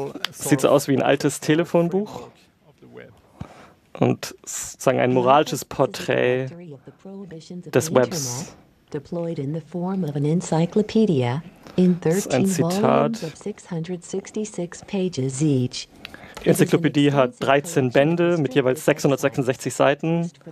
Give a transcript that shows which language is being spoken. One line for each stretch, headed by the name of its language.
German: Sieht so aus wie ein altes Telefonbuch und sozusagen ein moralisches Porträt des Webs.
English: Deployed in the form of an encyclopedia in 13 volumes of 666 pages each.
German: Die Enzyklopädie hat 13 Bände mit jeweils 666 Seiten.